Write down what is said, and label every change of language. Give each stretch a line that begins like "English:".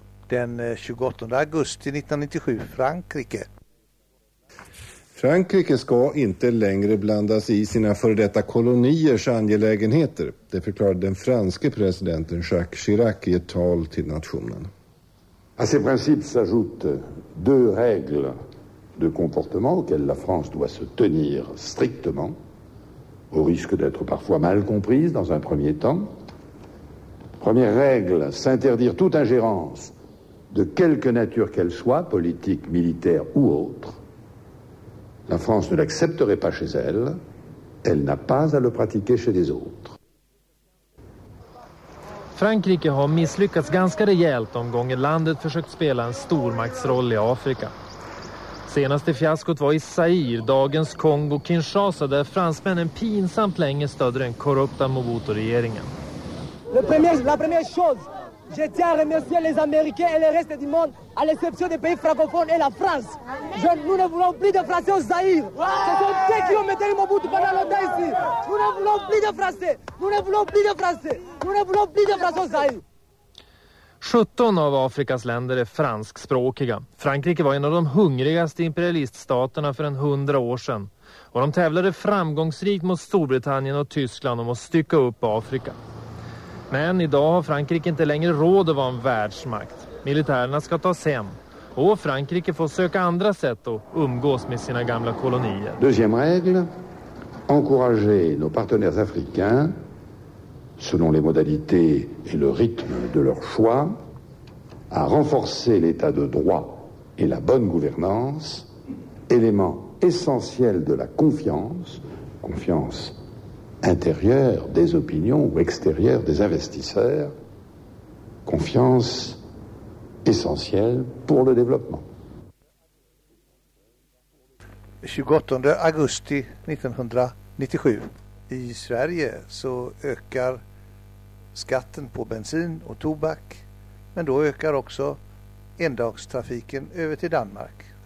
Swedish: Den 28 augusti 1997, Frankrike. Frankrike ska inte längre blandas i sina före detta koloniers angelägenheter. Det förklarade den franske presidenten Jacques Chirac i ett tal till nationen.
French: À ces principes s'ajoutent deux règles de comportement auxquelles la France doit se tenir strictement, au risque d'être parfois mal comprise dans un premier temps. Première règle, s'interdire toute ingérence de quelque nature qu'elle soit, politique, militaire ou autre. La France ne l'accepterait pas chez elle, elle n'a pas à le pratiquer chez les autres.
Swedish: Frankrike har misslyckats ganska rejält de gånger landet försökt spela en stormaktsroll i Afrika. Senaste fiaskot var i Zaire, dagens Kongo Kinshasa, där fransmännen pinsamt länge stödde den korrupta Mobutu-regeringen.
French: La première chose, je tiens à remercier les Américains et le reste du monde à l'exception des pays francophones et la France. Nous ne voulons plus de Français au Zaire. C'est un pays qui ont mettait le Mobutu pendant longtemps ici. Nous ne voulons plus de Français. Nous ne voulons plus de Français. Nous ne voulons plus de Français au Zaire.
Swedish: 17 av Afrikas länder är franskspråkiga. Frankrike var en av de hungrigaste imperialiststaterna för 100 år sedan. Och de tävlade framgångsrikt mot Storbritannien och Tyskland om att stycka upp Afrika. Men idag har Frankrike inte längre råd att vara en världsmakt. Militärerna ska tas hem. Och Frankrike får söka andra sätt att umgås med sina gamla kolonier.
French: Deuxième règle, encourager nos partenaires africains selon les modalités et le rythme de leur choix, à renforcer l'état de droit et la bonne gouvernance, élément essentiel de la confiance, confiance intérieure des opinions ou extérieure des investisseurs, confiance essentielle pour le développement.
Swedish: 28 augusti 1997, i Sverige så ökar skatten på bensin och tobak, men då ökar också endagstrafiken över till Danmark.